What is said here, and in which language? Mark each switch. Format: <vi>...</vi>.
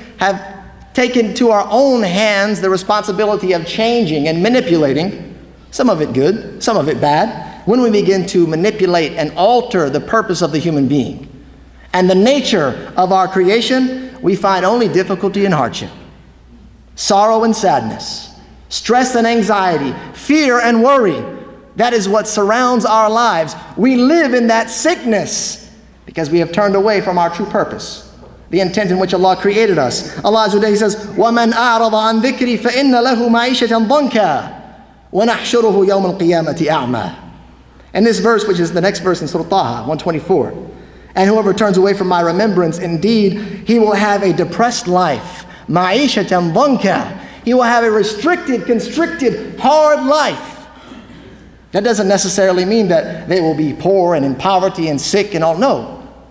<en>have taken to our own hands the responsibility of changing and manipulating, some of it good, some of it bad, when we begin to manipulate and alter the purpose of the human being and the nature of our creation, we find only difficulty and hardship, sorrow and sadness, stress and anxiety, fear and worry. That is what surrounds our lives. We live in that sickness because we have turned away from our true purpose, the intent in which Allah created us.</en> <ar>Allah Azza wa Jalla</ar> <en>says,</en> <ar>وَمَنْ أَعْرَضَ عَنْ ذِكْرِي فَإِنَّ لَهُ مَعِيشَةً ضَنْكًا وَنَحْشُرُهُ يَوْمَ الْقِيَامَةِ أَعْمَى.</ar> <en>And this verse, which is the next verse in Surah Taha, 124, and whoever turns away from my remembrance, indeed, he will have a depressed life.</en> <ar>مَعِيشَةً ضَنْكًا.</ar> <en>He will have a restricted, constricted, hard life. That doesn't necessarily mean that they will be poor and in poverty and sick and all. No.</en>